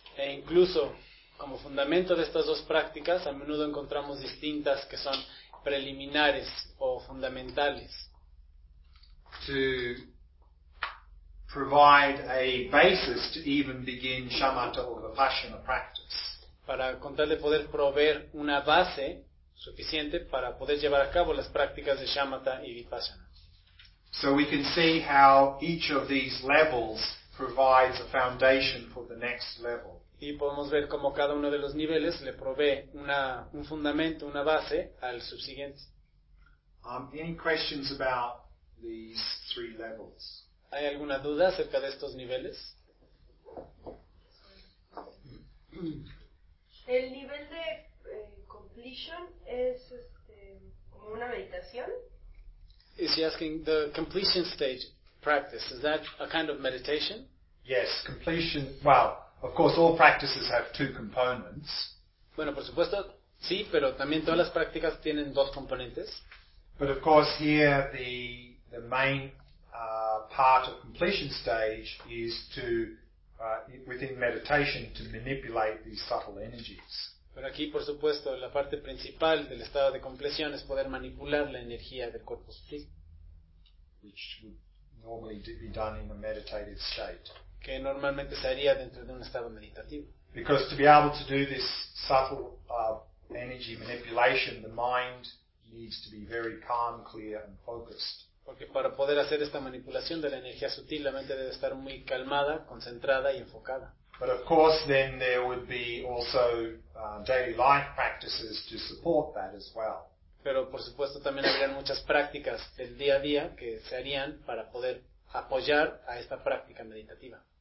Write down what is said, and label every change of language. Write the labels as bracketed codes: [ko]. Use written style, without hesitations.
[es] E incluso, como fundamento de estas dos prácticas, a menudo encontramos distintas que son preliminares o fundamentales. [en] To provide a basis to even begin shamatha or vipassana practice. [es] Para con tal de poder proveer una base suficiente para poder llevar a cabo las prácticas de shamatha y vipassana. [en] So we can see how each of these levels provides a foundation for the next level. [es] Y podemos ver cómo cada uno de los niveles le provee un fundamento, una base al subsiguiente. [en] Any questions about these three levels? [es] ¿Hay alguna duda acerca de estos niveles? ¿El nivel de completion es como una meditación? [en] Is he asking the completion stage practice, is that a kind of meditation? Yes, completion, well, of course, all practices have two components. [es] Bueno, por supuesto, sí, pero también todas las prácticas tienen dos componentes. [en] But of course, here the main part of completion stage is to within meditation to manipulate these subtle energies. [es] Pero aquí, por supuesto, la parte principal del estado de compleción es poder manipular la energía del cuerpo sutil. [en] Which would normally be done in a meditative state. [es] Que normalmente se haría dentro de un estado meditativo. [en] Because to be able to do this subtle energy manipulation, the mind needs to be very calm, clear, and focused. [es] Porque para poder hacer esta manipulación de la energía sutil, la mente debe estar muy calmada, concentrada y enfocada. [en] But of course, then there would be also daily life practices to support that as well. [es] Pero por supuesto también habrían muchas prácticas del día a día que se harían para poder apoyar a esta práctica meditativa.